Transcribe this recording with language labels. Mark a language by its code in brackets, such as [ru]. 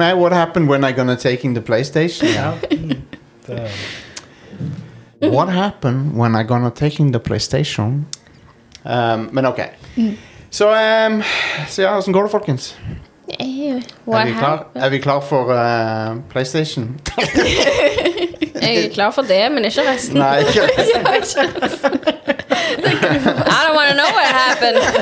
[no] Nei, [en] what happened when I'm gonna taking the PlayStation? [no] Ja. [en] What happened when I'm gonna taking the PlayStation? [no] Men ok. Så ja, hvordan går det, folkens? Er vi klar for PlayStation? Jeg er klar for det, men ikke resten. Nei, ikke resten. Ja, ikke resten. [en] I don't want to know what happened.